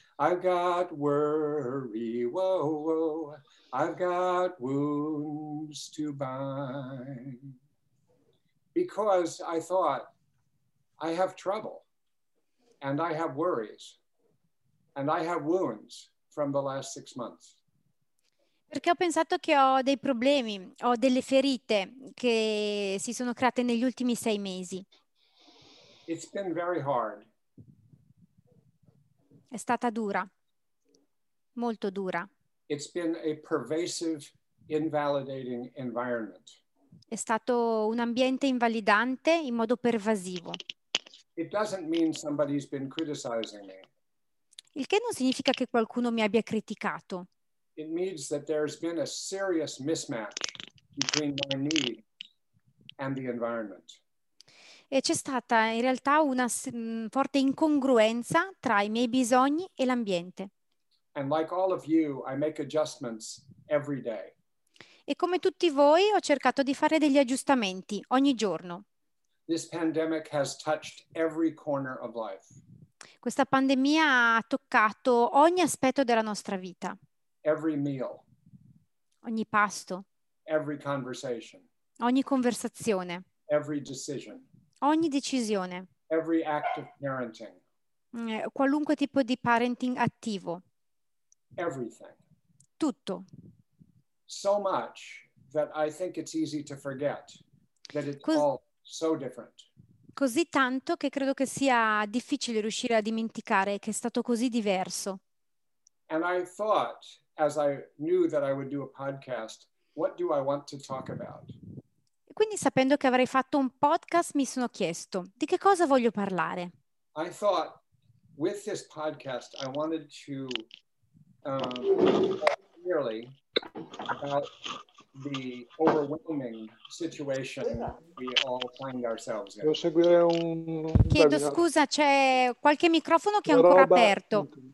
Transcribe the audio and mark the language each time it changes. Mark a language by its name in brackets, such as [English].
[English] I've got worry. I've got wounds to bind. Because I thought, I have trouble. And I have worries. And I have wounds from the last 6 months. [Italian] Perché ho pensato che ho dei problemi, ho delle ferite che si sono create negli ultimi 6 mesi. [English] It's been very hard. [Italian] È stata dura, molto dura. [English] It's been a pervasive, invalidating environment. [Italian] È stato un ambiente invalidante in modo pervasivo. [English] It doesn't mean somebody's been criticizing me. [Italian] Il che non significa che qualcuno mi abbia criticato. [English] It means that there's been a serious mismatch between my needs and the environment. [Italian] E c'è stata in realtà una forte incongruenza tra i miei bisogni e l'ambiente. [English] And like all of you, I make adjustments every day. [Italian] E come tutti voi, ho cercato di fare degli aggiustamenti ogni giorno. [English] This pandemic has touched every corner of life. [Italian] Questa pandemia ha toccato ogni aspetto della nostra vita. [English] Every meal, [Italian] ogni pasto, [English] every conversation, [Italian] ogni conversazione, [English] every decision, [Italian] ogni decisione, [English] every act of parenting, [Italian] qualunque tipo di parenting attivo, [English] everything, [Italian] tutto. [English] so much that I think it's easy to forget that it's all so different. [Italian] Così tanto che credo che sia difficile riuscire a dimenticare che è stato così diverso. [English] And I thought, as I knew that I would do a podcast, what do I want to talk about? [Italian] Quindi sapendo che avrei fatto un podcast mi sono chiesto di che cosa voglio parlare. [English] I thought with this podcast I wanted to talk clearly about the overwhelming situation we all find ourselves in. [Italian] Chiedo scusa, c'è qualche microfono che è ancora aperto.